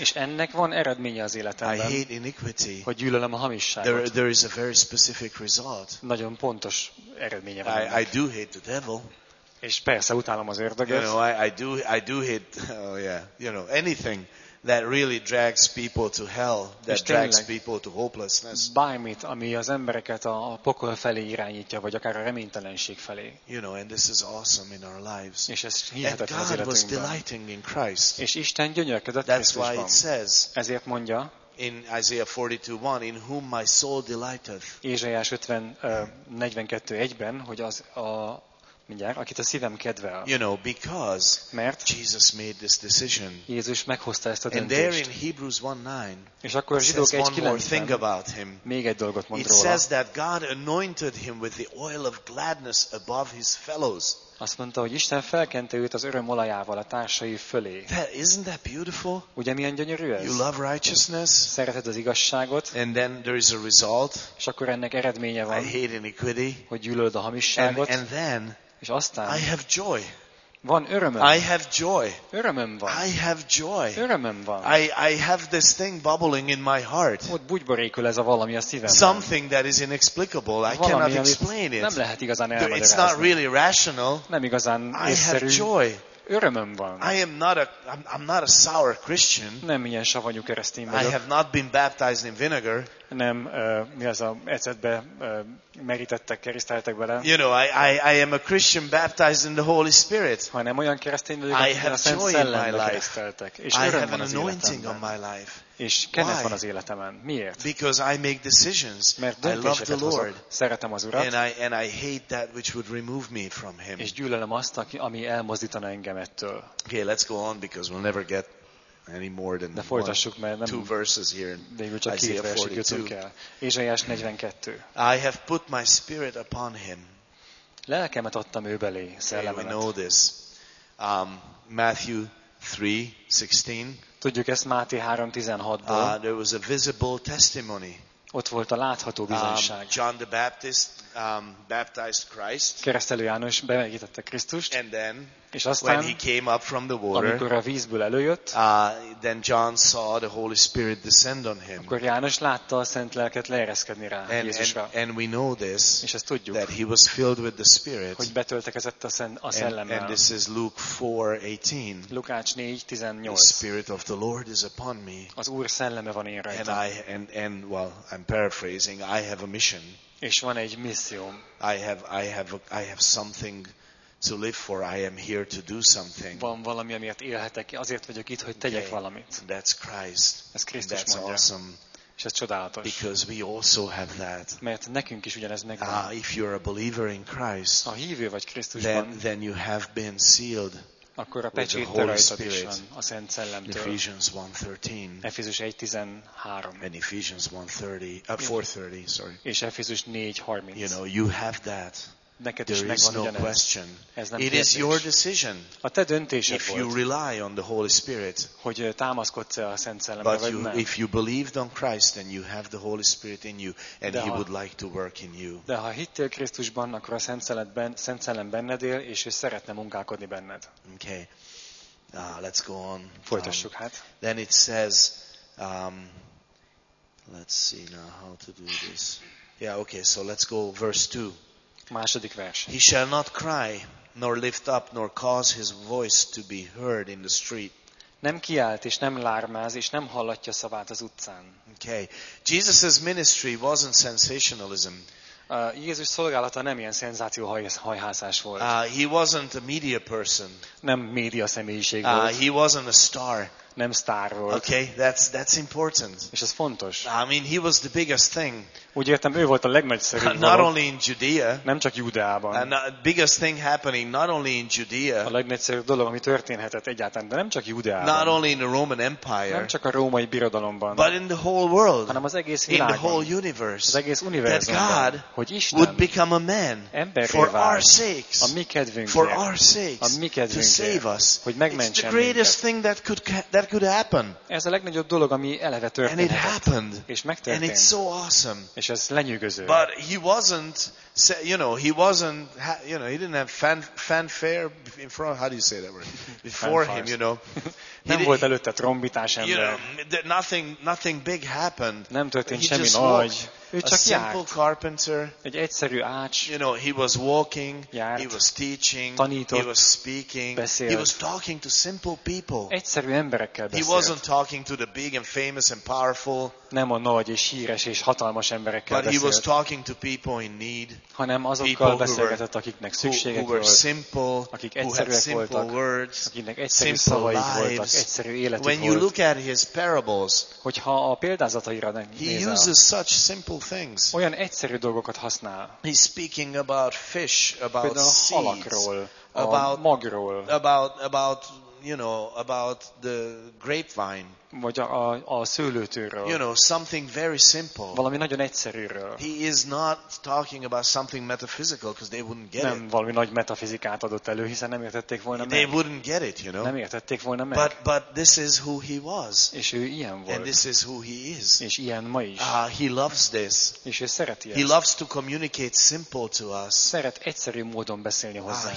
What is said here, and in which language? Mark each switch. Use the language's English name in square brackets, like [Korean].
[Hungarian] És ennek van eredménye az életemben. [English] I hate iniquity. [Hungarian] Hogy gyűlölöm a hamisságot. [English] There is a very specific result. [Hungarian] Nagyon pontos eredménye van. [English] I do hate the devil. [Hungarian] És persze utálom az ördöget. [English] You know, I do hate, oh yeah, you know, anything that really drags people to hell, that drags people to hopelessness. [Hungarian] Bármit, ami az embereket a pokol felé irányítja, vagy akár a reménytelenség felé. [English] You know, and this is awesome in our lives. [Hungarian] És ez hihetetlen az életünkben. [English] And God was delighting in Christ. [Hungarian] És Isten gyönyörködött [English] That's [Hungarian] Krisztusban. [English] Why it says, [Hungarian] ezért mondja, [English] in Isaiah 42:1, in whom my soul delighteth. [Hungarian] Ézsaiás 42:1-ben, hogy az a mindjárt, akit a szívem kedvel. [English] You know, because [Hungarian] mert [English] Jesus made this decision. [Hungarian] Jézus meghozta ezt a döntést. [English] And there in Hebrews 1:9, [Hungarian] és akkor Zsidók 1:9-ben még egy dolgot mond [English] it [Hungarian] róla. [English] It says that God anointed him with the oil of gladness above his fellows. [Hungarian] Azt mondta, hogy Isten felkente őt az öröm olajával a társai fölé. [English] That, isn't that beautiful? [Hungarian] Ugye milyen gyönyörű ez? [English] You love righteousness. [Hungarian] Szereted az igazságot. [English] And then there is a result. [Hungarian] És akkor ennek eredménye van. [English] I hate iniquity. [Hungarian] Hogy gyűlöd a hamisságot. [English] And then [Hungarian] és aztán [English] I have joy. [Hungarian] Van örömöm. [English] I have joy. [Hungarian] Örömöm van. [English] I have joy. [Hungarian] Örömöm van. [English] I have this thing bubbling in my heart. [Hungarian] Ott bugybarékul ez a valami a szívemben. [English] Something that is inexplicable. [Hungarian] Valami, [English] I cannot explain it. [Hungarian] Nem lehet igazán elmagyarázni. [English] It's not really rational. [Hungarian] Nem igazán [English] I have joy. [Hungarian] Örömöm van. [English] I'm not a sour Christian. [Hungarian] Nem ilyen savanyú keresztény vagyok. [English] I have not been baptized in vinegar. [Hungarian] Nem mi az a ecetbe merítettek, kereszteltek bele. [English] You know, I am a Christian baptized in the Holy Spirit. [Hungarian] Hanem olyan keresztény vagyok, aki a Szent Szellemben kereszteltek. És [English] I have an anointing on my life. [Hungarian] És kenet van az életemen. Miért? [English] Because I make decisions. [Hungarian] Mert döntéseket [English] I love the Lord. [Hungarian] Hozok. Szeretem az Urat. [English] And I hate that which would remove me from him. [Hungarian] És gyűlölöm azt, ami elmozdítana engem ettől. [English] Okay, let's go on because we'll never get any more than [Hungarian] de folytassuk, mert nem [English] two verses here in [Hungarian] Ézsaiás 42. [English] I have put my spirit upon him. [Hungarian] Lelkemet adtam ő belé, szellemet. [English] Okay, we know this. Matthew 3:16. [Hungarian] Tudjuk ezt Máté 3:16-ból. [English] There was a visible testimony. [Hungarian] Ott volt a látható bizonyság. [English] John the Baptist baptized Christ. [Hungarian] Keresztelő János bemelegítette Krisztust. [English] And then, [Hungarian] és aztán, [English] when he came up from the water, [Hungarian] amikor a vízből előjött, [English] then John saw the Holy Spirit descend on him. [Hungarian] Akkor János látta a Szent Lelket leereszkedni rá Jézusra. [English] And we know this, [Hungarian] és ezt tudjuk, [English] that he was filled with the Spirit. [Hungarian] Hogy betöltekezett a Szellemmel. [English] And this is Luke 4:18. [Hungarian] Lukács 4:18. [English] The Spirit of the Lord is upon me. [Hungarian] Az Úr Szelleme van én rajtam. [English] And I'm paraphrasing. I have a mission. [Hungarian] És van egy misszióm. [English] I have something to live for. I am here to do something. [Hungarian] Van valami, amiért élhetek. Azért vagyok itt, hogy tegyek valamit. [English] That's Christ. [Hungarian] Ez Krisztus mondja. [English] That's awesome. [Hungarian] És ez csodálatos. [English] Because we also have that. [Hungarian] Mert nekünk is ugyanez megvan. [English] If you're a believer in Christ, [Hungarian] a hívő vagy Krisztusban, [English] then you have been sealed. [Hungarian] Akkor a pecsétel rajtad is van a Szent Szellemtől. [English] Ephesians 1:13. [Hungarian] Efézus 1:13. [English] And Ephesians 4:30, sorry. [Hungarian] És Efézus 4:30. [English] You know, you have that. [Hungarian] Neked [English] there [Hungarian] is megvan, [English] no [Hungarian] ugyanez. [English] Question. [Hungarian] Ez nem [English] it [Hungarian] kérdés. [English] Is your decision. [Hungarian] A te döntésed [English] if [Hungarian] volt. [English] You rely on the Holy Spirit. [Hungarian] Hogy támaszkodsz a Szent Szellemre vagy [English] you, [Hungarian] nem. [English] If you believed on Christ, then you have the Holy Spirit in you, and he would like to work in you. [Hungarian] De ha hittél Krisztusban, akkor a Szent Szellem benned él, és ő szeretne munkálkodni benned. [English] Okay. Let's go on. [Hungarian] Folytassuk hát. [English] Then it says, let's see now how to do this. Yeah, okay. So let's go verse 2. [Hungarian] Második vers. [English] He shall not cry, nor lift up, nor cause his voice to be heard in the street. [Hungarian] Nem kiált és nem lármáz és nem hallatja szavát az utcán. [English] Okay. Jesus's ministry wasn't sensationalism. [Hungarian] Jézus szolgálata nem ilyen szenzációhajhászás volt. [English] He wasn't a media person. [Hungarian] Nem média személyiség volt. [English] He wasn't a star. [Hungarian] Nem sztár volt. [English] Okay, that's important. [Hungarian] És ez fontos. [English] I mean, he was the biggest thing. [Hungarian] Úgy értem, ő volt a legnagyszerűbb. [English] Not only in Judea. [Hungarian] Nem csak Júdeában. [English] Biggest thing happening not only in Judea. [Hungarian] A legnagyszerűbb dolog, ami történhetett egyáltalán, de nem csak Júdeában. [English] Not only in the Roman Empire. [Hungarian] Nem csak a római birodalomban. [English] But in the whole world. [Hungarian] Hanem az egész világban. [English] In the whole universe. [Hungarian] Az egész univerzumban. [English] That God, [Hungarian] hogy Isten, [English] would become a man for our sakes. [Hungarian] A mi kedvünkért. [English] For our sakes. [Hungarian] A mi kedvünkért. [English] To save us. [Hungarian] Hogy megmentsen minket. [English] It's the greatest thing that could happen. [Hungarian] Ez a legnagyobb dolog, ami eleve történhetett. [English] And it happened. [Hungarian] És megtörtént. [English] And it's so awesome. [Hungarian] És ez lenyűgöző. [English] But he wasn't, you know, he wasn't, you know, he didn't have fanfare in front. How do you say that word? Before him, you know. [Hungarian] Nem volt előtte trombitás ember. [English] You know, nothing big happened. [Hungarian] Nem történt semmi nagy. Ő csak járt. [English] A simple carpenter. [Hungarian] Egy egyszerű ács. [English] You know, he was walking. [Hungarian] Járt, [English] he was teaching. [Hungarian] Tanított. [English] He was speaking. [Hungarian] Beszélt. [English] He was talking to simple people. [Hungarian] Egyszerű emberekkel beszélt. [English] He wasn't talking to the big and famous and powerful. [Hungarian] Nem a nagy és híres és hatalmas emberekkel [English] but [Hungarian] beszélt. [English] He was talking to people in need. [Hungarian] Hanem azokkal beszélgetett, akiknek szükségük volt. [English] Who were simple. [Hungarian] Akik egyszerűek voltak. [English] Words, [Hungarian] akiknek egyszerű szavaik voltak. Egyszerű életük [English] when [Hungarian] volt. [English] You look at his parables, [Hungarian] hogyha a példázataira nem nézel, [English] he uses such simple things. [Hungarian] Olyan egyszerű dolgokat használ. [English] He's speaking about fish, about [Hungarian] például a halakról, [English] seeds, about, [Hungarian] a magról. [English] About you know, about the grapevine. [Hungarian] Vagy a szőlőtőről. [English] You know, something very simple. [Hungarian] Valami nagyon egyszerűről. [English] He is not talking about something metaphysical because they wouldn't get [Hungarian] nem [English] it. [Hungarian] Nem valami nagy metafizikát adott elő, hiszen nem értették volna [English] they They wouldn't get it, you know. [Hungarian] Nem értették volna meg. [English] But this is who he was. [Hungarian] És ő ilyen volt. [English] And this is who he is. [Hungarian] És ilyen ma is. [English] He loves this. [Hungarian] És ő szereti ezt. [English] He loves to communicate simple to us. [Hungarian] Szeret egyszerű módon beszélni hozzánk.